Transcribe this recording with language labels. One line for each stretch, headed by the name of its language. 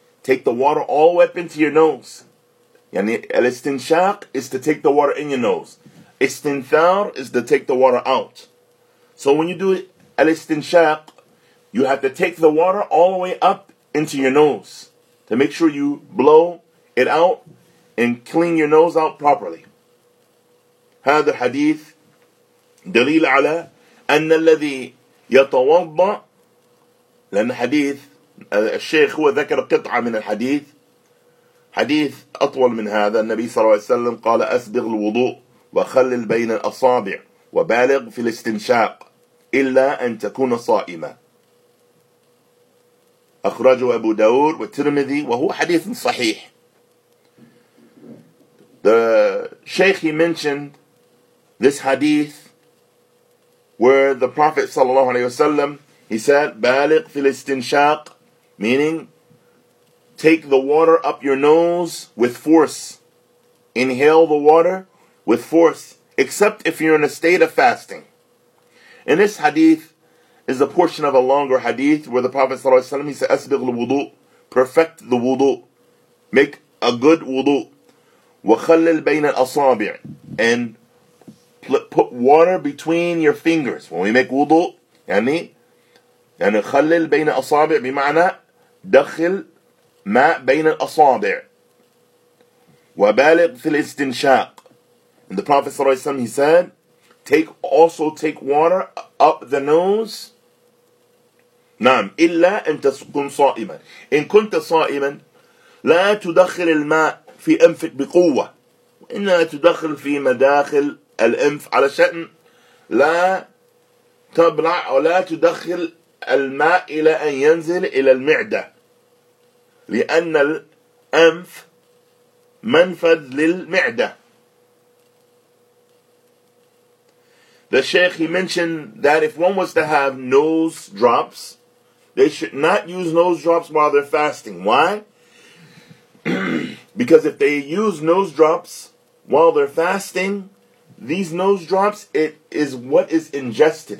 English: Take the water all the way up into your nose. Yani al-istinshaq is to take the water in your nose. Istinthar is to take the water out. So when you do al-istinshaq, you have to take the water all the way up into your nose to make sure you blow it out and clean your nose out properly.
Arabic: هذا حديث دليل على أن الذي يتوضأ, لأن حديث الشيخ هو ذكر قطعة من الحديث, حديث أطول من هذا. النبي صلى الله عليه وسلم قال أسبغ الوضوء وخلل بين الأصابع وبالغ في الاستنشاق إلا أن تكون صائما. أخرجه أبو داود والترمذي وهو حديث صحيح.
English: The Sheikh, he mentioned this hadith where the Prophet sallallahu alaihi wasallam, he said,
Arabic: "Baligh fil istinshaq,"
English: meaning take the water up your nose with force, inhale the water with force, except if you're in a state of fasting. And this hadith is a portion of a longer hadith where the Prophet sallallahu alaihi wasallam, he said,
Arabic: "Asbigh al wudu,"
English: perfect the wudu, make a good wudu,
Arabic: wa khallil bayna al asabi',
English: and put water between your fingers. When we make wudu,
Arabic: يعني خلل بين أصابع بمعنى دخل ماء بين الأصابع وبالغ في الاستنشاق.
English: And the Prophet
Arabic: صلى الله عليه وسلم,
English: he said, take water up the nose.
Arabic: نعم إلا أن تكون صائما. إن كنت صائما لا تدخل الماء في أنفك بقوة, وإنما تدخل في مداخل الأنف على شأن لا تبلع أو لا تدخل الماء إلى أن ينزل إلى المعدة, لأن الأنف منفذ للمعدة.
English: The Sheikh, he mentioned that if one was to have nose drops, they should not use nose drops while they're fasting. Why? Because if they use nose drops while they're fasting, these nose drops, it is what is ingested.